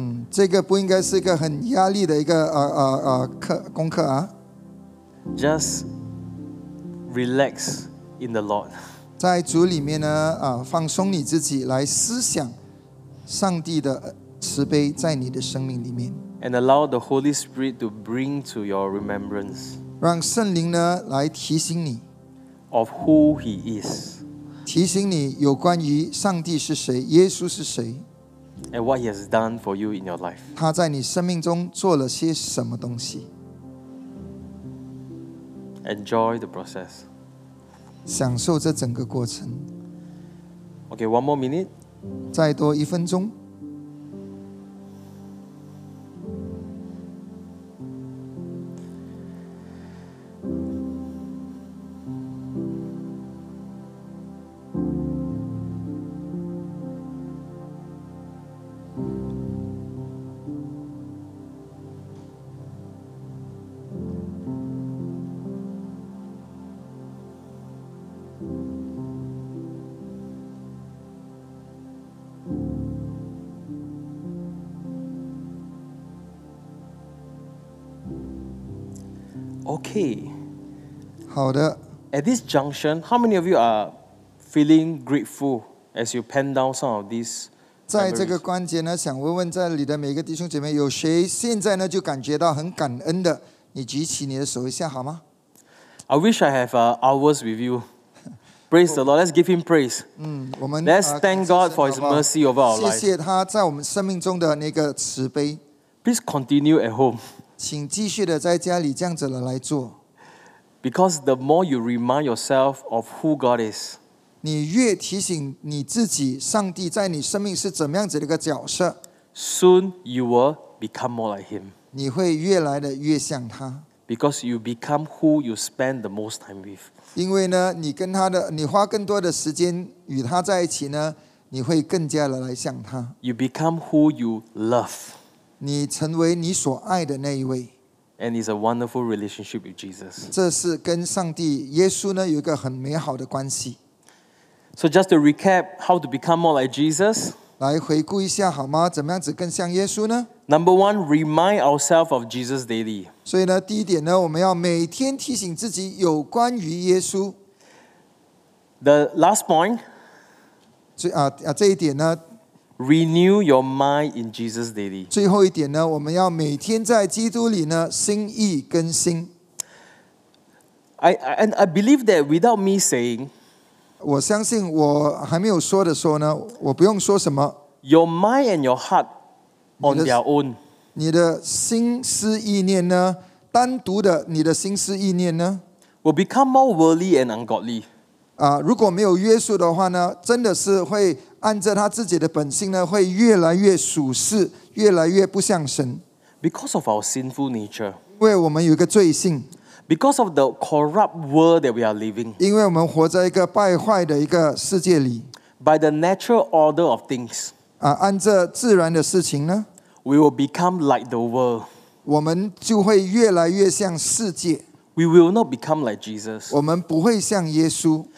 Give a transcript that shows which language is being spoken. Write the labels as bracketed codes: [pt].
[zh] 这个不应该是一个很压力的一个功课啊。 [en] Just relax in the Lord. [zh] 在主里面呢，放松你自己，来思想上帝的慈悲在你的生命里面。 [en] And allow the Holy Spirit to bring to your remembrance. [zh] 让圣灵呢来提醒你。 [en] Of who He is. [zh] 提醒你有关于上帝是谁，耶稣是谁 [en] ，and what He has done for you in your life. [zh] 他在你生命中做了些什么东西 [en] ？Enjoy the process. [zh] 享受这整个过程。 [en] Okay, one more minute. [zh] 再多一分钟。 [en] Okay. [zh] 好的。 [en] At this junction, how many of you are feeling grateful as you pen down some of these? [zh] 在这个关节呢，想问问在里的每个弟兄姐妹，有谁现在呢就感觉到很感恩的？你举起你的手一下好吗 [en] ？I wish I have hours with you. Praise the Lord. Let's give Him praise. [zh] 我们 [en] Let's thank God for His mercy over our life. [zh] 谢谢他在我们生命中的那个慈悲。 [en] Please continue at home. [zh] 请继续的在家里这样子的来做 [en] ，because the more you remind yourself of who God is， [zh] 你越提醒你自己，上帝在你生命是怎么样子的一个角色 [en] ，soon you will become more like Him， [zh] 你会越来的越像他 [en] ，because you become who you spend the most time with， [zh] 因为呢，你跟他的，你花更多的时间与他在一起呢，你会更加的来像他 [en] ，you become who you love。 [zh] 你成为你所爱的那一位 [en] ，and it's a wonderful relationship with Jesus. [zh] 这是跟上帝耶稣呢有一个很美好的关系。 [en] So just to recap, how to become more like Jesus? [zh] 来回顾一下好吗？怎么样子更像耶稣呢 [en] ？Number one, remind ourselves of Jesus daily. [zh] 所以呢，第一点呢，我们要每天提醒自己有关于耶稣。 [en] The last point. [zh] 这一点呢。 [en] Renew your mind in Jesus daily. [zh] 最后一点呢，我们要每天在基督里呢，心意更新。 [en] I believe that without me saying, [zh] 我相信我还没有说的时候呢，我不用说什么。 [en] Your mind and your heart on their own. [zh] 你的心思意念呢，单独的，你的心思意念呢 [en] ，will become more worldly and ungodly. [zh] 如果没有约束的话呢，真的是会。按着他自己的本性呢，会越来越属世，越来越不像神。 [en] Because of our sinful nature， [zh] 因为我们有一个罪性。 [en] Because of the corrupt world that we are living， [zh] 因为我们活在一个败坏的一个世界里。 [en] By the natural order of things， [zh] 按着自然的事情呢 [en] ，we will become like the world， [zh] 我们就会越来越像世界。 [en] We will not become like Jesus， [zh] 我们不会像耶稣。